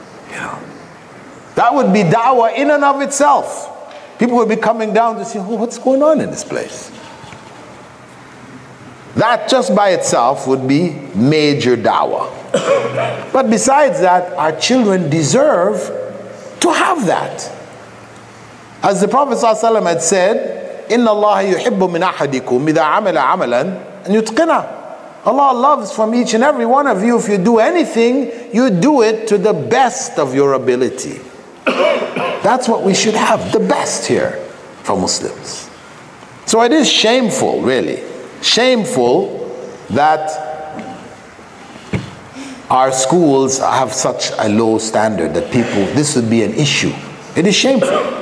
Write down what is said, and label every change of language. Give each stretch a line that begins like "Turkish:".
English: You know, that would be dawah in and of itself. People will be coming down to see, oh, what's going on in this place? That just by itself would be major dawah. But besides that, our children deserve to have that. As the Prophet ﷺ had said,
Arabic: إِنَّ اللَّهَ يُحِبُّ مِنْ أَحَدِكُمْ إِذَا عَمِلَ عَمَلًا أَنْ يُتْقِنَهُ.
English: Allah loves from each and every one of you, if you do anything, you do it to the best of your ability. That's what we should have, the best here for Muslims. So it is shameful, really. Shameful that our schools have such a low standard that people, this would be an issue. It is shameful.